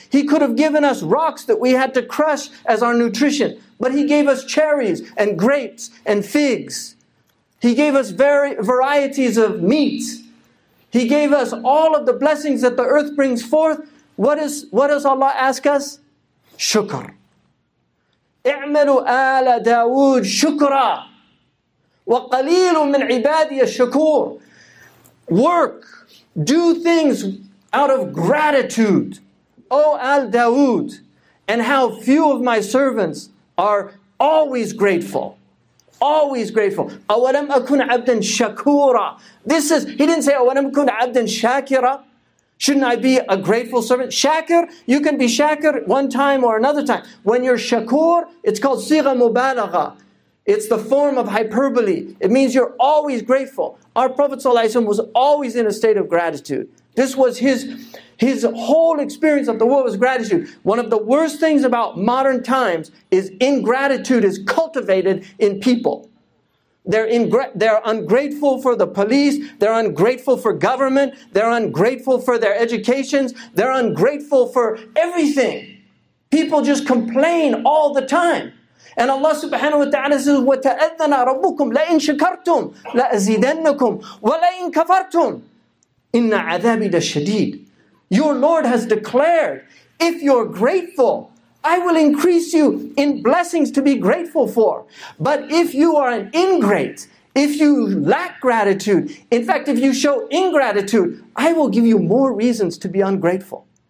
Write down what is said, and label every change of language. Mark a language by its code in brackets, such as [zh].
[en] He could have given us rocks that we had to crush as our nutrition. But He gave us cherries and grapes and figs. He gave us varieties of meats. He gave us all of the blessings that the earth brings forth. What does Allah ask us? Shukr. [ar] اعملوا آل داود شكرا وقليل من عبادي الشكور. [en] Work, do things out of gratitude. O Al-Dawood, and how few of my servants are always grateful. Always grateful. [ar] أَوَلَمْ أَكُنْ عَبْدًا شَكُورًا. [en] This is, he didn't say, [ar] أَوَلَمْ أَكُنْ عَبْدًا شَاكِرًا. [en] Shouldn't I be a grateful servant? Shakir, you can be shakir one time or another time. When you're shakur, it's called siga mubalagha. It's the form of hyperbole. It means you're always grateful. Our Prophet ﷺ was always in a state of gratitude. This was his whole experience of the world was gratitude. One of the worst things about modern times is ingratitude is cultivated in people. They're ungrateful for the police. They're ungrateful for government. They're ungrateful for their educations. They're ungrateful for everything. People just complain all the time. And Allah subhanahu wa ta'ala says, [ar] وَتَأَذَّنَا رَبُّكُمْ لَإِن شَكَرْتُمْ لَأَزِيدَنَّكُمْ وَلَإِن كَفَرْتُمْ إِنَّ عَذَابِي لَشَدِيدٌ. [en] Your Lord has declared, if you're grateful, I will increase you in blessings to be grateful for. But if you are an ingrate, if you lack gratitude, in fact, if you show ingratitude, I will give you more reasons to be ungrateful.